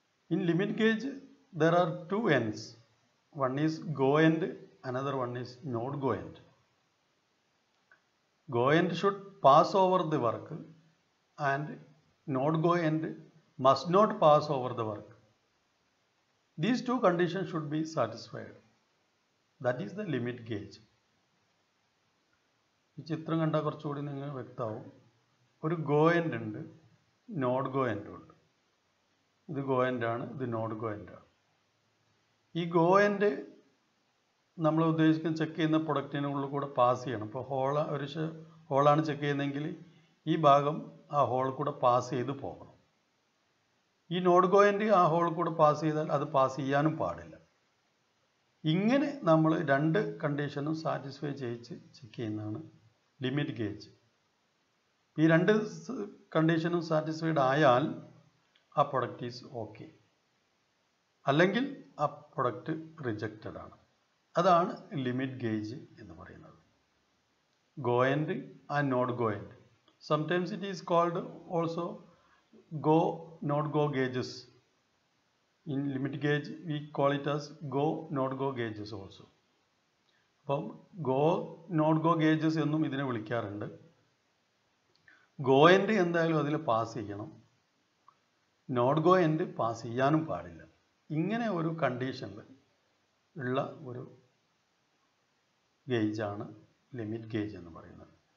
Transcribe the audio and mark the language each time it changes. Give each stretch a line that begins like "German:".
English: In limit gauge there are two ends, one is go end, another one is not go end. Go end should pass over the work and not go end must not pass over the work. These two conditions should be satisfied. That is the limit gauge.
Malayalam: ഈ ചിത്രം കണ്ടാൽ കുറച്ചുകൂടി നിങ്ങൾ വ്യക്തമാവും. ഒരു go end ഉണ്ട്, not go end ഉണ്ട്. ഇത് go end ആണ്, ഇത് നോട്ട് ഗോ എൻഡ് ആണ്. ഈ ഗോ എൻഡ് നമ്മൾ ഉദ്ദേശിക്കുന്ന ചെക്ക് ചെയ്യുന്ന പ്രൊഡക്റ്റിന് ഉള്ളിൽ കൂടെ പാസ് ചെയ്യണം. ഇപ്പോൾ ഹോള് ഒരു ഹോളാണ് ചെക്ക് ചെയ്യുന്നതെങ്കിൽ ഈ ഭാഗം ആ ഹോളിൽ കൂടെ പാസ് ചെയ്ത് പോകണം. ഈ നോട്ട് ഗോ എൻഡ് ആ ഹോളിൽ കൂടെ പാസ് ചെയ്താൽ അത് പാസ് ചെയ്യാനും പാടില്ല. ഇങ്ങനെ നമ്മൾ രണ്ട് കണ്ടീഷനും സാറ്റിസ്ഫൈ ചെയ്യിച്ച് ചെക്ക് ചെയ്യുന്നതാണ് ലിമിറ്റ് ഗേജ്. ഈ രണ്ട് കണ്ടീഷനും സാറ്റിസ്ഫൈഡ് ആയാൽ ആ പ്രൊഡക്റ്റ് ഈസ് ഓക്കെ, അല്ലെങ്കിൽ ആ പ്രൊഡക്റ്റ് റിജക്റ്റഡ് ആണ്. അതാണ് ലിമിറ്റ് ഗേജ് എന്ന് പറയുന്നത്.
English: goend and not goend. Sometimes it is called also go not go gauges. In limit gauge we call it as go not go gauges also.
Malayalam: അപ്പം go not go gauges എന്നും ഇതിനെ വിളിക്കാറുണ്ട്. Go end എന്തായാലും അതിൽ pass ചെയ്യണം, not go end pass ചെയ്യാനും പാടില്ല. ഇങ്ങനെ ഒരു കണ്ടീഷനിൽ ഉള്ള ഒരു ഗേജാണ് ലിമിറ്റ് ഗേജ് എന്ന് പറയുന്നത്.